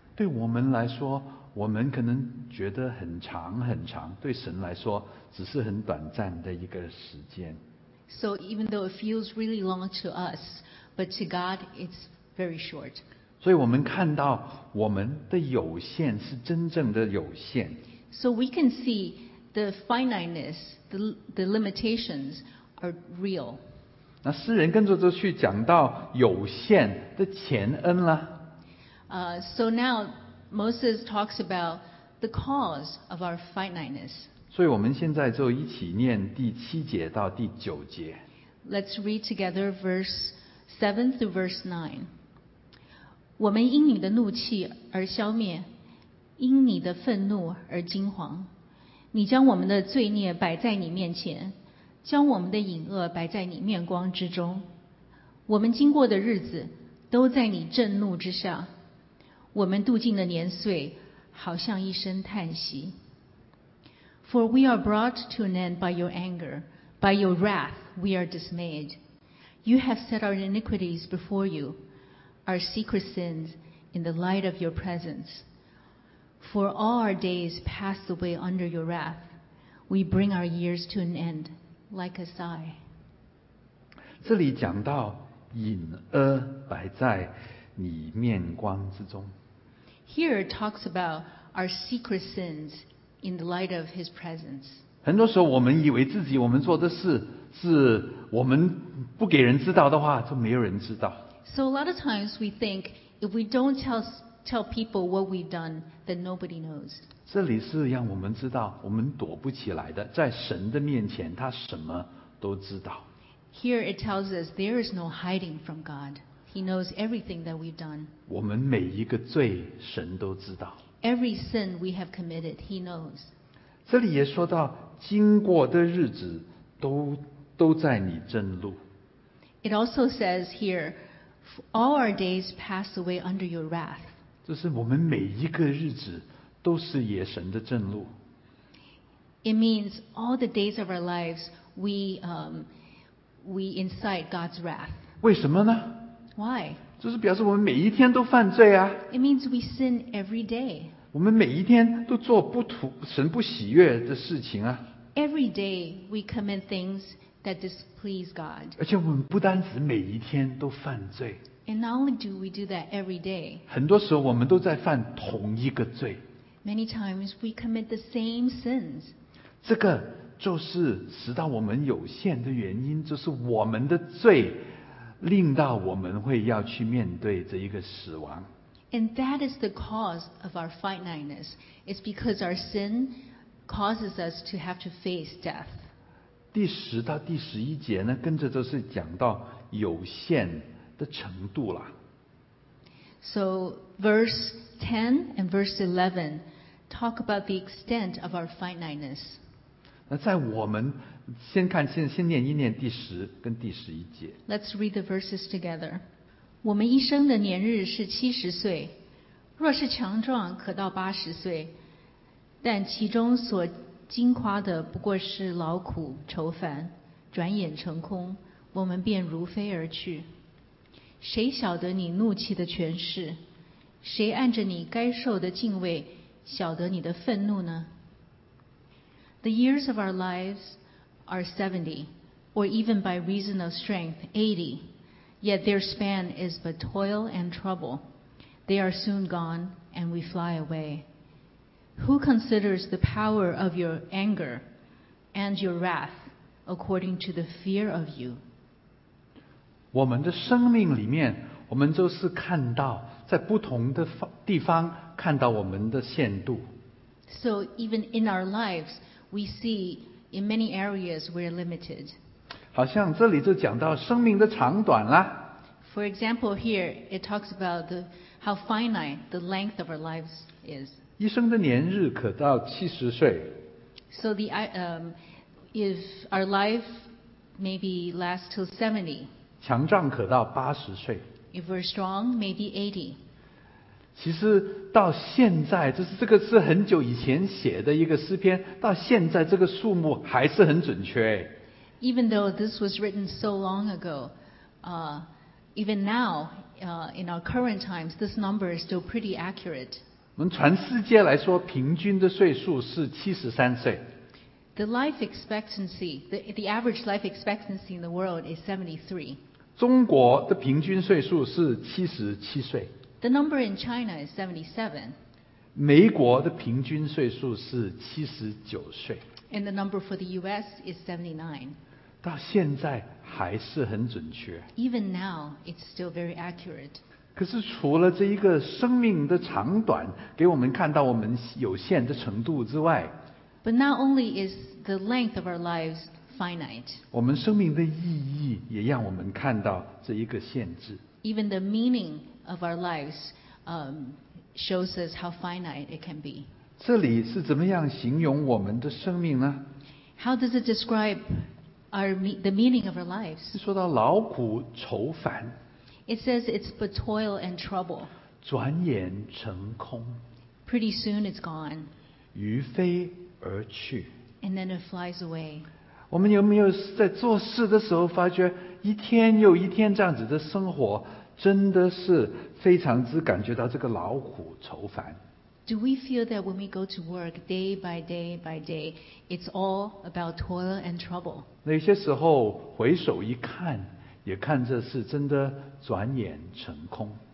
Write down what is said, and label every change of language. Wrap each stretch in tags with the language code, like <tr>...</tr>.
<zh>对我们来说，我们可能觉得很长很长，对神来说，只是很短暂的一个时间。</zh> <en>So even though it feels really long to us, but to God it's very short.</en> <zh>所以我们看到我们的有限是真正的有限。</zh> <en>So we can see the finiteness, the limitations are real.</en> <zh>那诗人跟着就去讲到有限的前恩了。</zh> <en>So now Moses talks about the cause of our finiteness.</en> <zh>所以我们现在就一起念第七节到第九节。</zh> <en>Let's read together verse 7 through verse 9.</en> <zh>我们因你的怒气而消灭，因你的愤怒而惊惶。你将我们的罪孽摆在你面前，将我们的隐恶摆在你面光之中。我们经过的日子都在你震怒之下，我们度尽的年岁好像一声叹息。</zh> <en>For we are brought to an end by your anger, by your wrath we are dismayed. You have set our iniquities before you, our secret sins in the light of your presence. For all our days pass away under your wrath. We bring our years to an endLike a sigh.</en> <zh>这里讲到隐恶摆在你面光之中。</zh> <en>Here it talks about our secret sins in the light of His presence.</en> <zh>很多时候我们以为自己我们做的事是我们不给人知道的话，就没有人知道。</zh> <en>So a lot of times we think if we don't tell people what we've done, then nobody knows.</en> <zh>这里是让我们知道，我们躲不起来的，在神的面前，他什么都知道。</zh> <en>Here it tells us there is no hiding from God. He knows everything that we've done.</en> <zh>我们每一个罪，神都知道。</zh> <en>Every sin we have committed, He knows.</en> <zh>这里也说到，经过的日子都在你震怒。</zh> <en>It also says here, all our days pass away under your wrath.</en> <zh>就是我们每一个日子都是野神的震怒。</zh> <en>It means all the days of our lives, we incite God's wrath.</en> <zh>为什么呢？</zh> <en>Why?</en> <zh>就是表示我们每一天都犯罪啊。</zh> <en>It means we sin every day.</en> <zh>我们每一天都做不图神不喜悦的事情啊。</zh> <en>Every day we commit things that displease God.</en> <zh>而且我们不单只每一天都犯罪。</zh> <en>And not only do we do that every day.</en> <zh>很多时候我们都在犯同一个罪。</zh> <en>Many times we commit the same sins.</en> <zh>这个就是使到我们有限的原因，就是我们的罪令到我们会要去面对这一个死亡。</zh> <en>And that is the cause of our finiteness. It's because our sin causes us to have to face death.</en> <zh>第十到第十一节呢，跟着就是讲到有限的程度了。</zh> <en>So verse 10 and verse 11 talk about the extent of our finiteness.</en> <zh>那在我们先念一念第十跟第十一节。</zh> <en>Let's read the verses together.</en> <zh>我们一生的年日是七十岁，若是强壮，可到八十岁。但其中所经夸的不过是劳苦愁烦，转眼成空，我们便如飞而去。谁晓得你怒气的权势？谁按着你该受的敬畏晓得你的愤怒呢？</zh> <en>The years of our lives are 70, or even by reason of strength 80, yet their span is but toil and trouble. They are soon gone, and we fly away. Who considers the power of your anger and your wrath according to the fear of you?</en> <zh>我们的生命里面，我们就是看到在不同的地方看到我们的限度。</zh> <en>So even in our lives, we see in many areas we're limited.</en> <zh>好像这里就讲到生命的长短啦。</zh> <en>For example, here it talks about how finite the length of our lives is.</en> <zh>一生的年日可到七十岁。</zh> <en>So if our life maybe lasts till 70,</en> <zh>强壮可到八十岁。</zh> <en>If we're strong, maybe 80.</en> <zh>其实到现在，就是这个是很久以前写的一个诗篇，到现在这个数目还是很准确。</zh> <en>Even though this was written so long ago, even now, in our current times, this number is still pretty accurate.</en> <zh>我们全世界来说，平均的岁数是73岁。</zh> <en>The life expectancy, the average life expectancy in the world is 73.</en> <zh>中国的平均岁数是77岁。</zh> <en>The number in China is 77.</en> <zh>美国的平均岁数是79岁。</zh> <en>And the number for the US is 79.</en> <zh>到现在还是很准确。</zh> <en>Even now, it's still very accurate.</en> <zh>可是除了这一个生命的长短给我们看到我们有限的程度之外，</zh> <en>But not only is the length of our lives finite.</en> <zh>我们生命的意义也让我们看到这一个限制。</zh> <en>Even the meaning of our lives shows us how finite it can be.</en> <zh>这里是怎么样形容我们的生命呢？</zh> <en>How does it describe the meaning of our lives?</en> <zh>说到劳苦愁烦。</zh> <en>It says it's but toil and trouble.</en> <zh>转眼成空。</zh> <en>Pretty soon it's gone.</en> <zh>于飞而去。</zh> <en>And then it flies away.</en> <zh>我们有没有在做事的时候发觉一天又一天这样子的生活真的是非常之感觉到这个劳苦愁烦。</zh> <en>Do we feel that when we go to work day by day by day, it's all about toil and trouble?</en> <zh>那些时候回首一看，也看着是真的转眼成空。</zh>